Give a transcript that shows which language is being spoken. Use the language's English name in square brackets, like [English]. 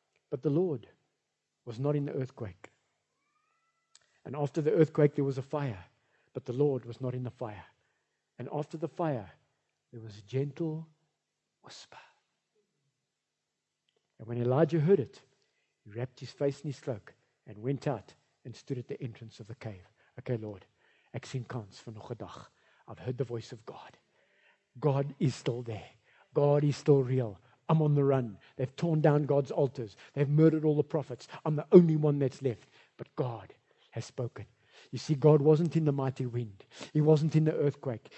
[English] But the Lord was not in the earthquake. And after the earthquake, there was a fire. But the Lord was not in the fire. And after the fire, there was a gentle whisper. And when Elijah heard it, he wrapped his face in his cloak and went out and stood at the entrance of the cave. [Afrikaans] Okay, Lord, ek sien kans vir nog 'n dag. [English] I've heard the voice of God. God is still there. God is still real. I'm on the run. They've torn down God's altars. They've murdered all the prophets. I'm the only one that's left. But God has spoken. You see, God wasn't in the mighty wind. He wasn't in the earthquake.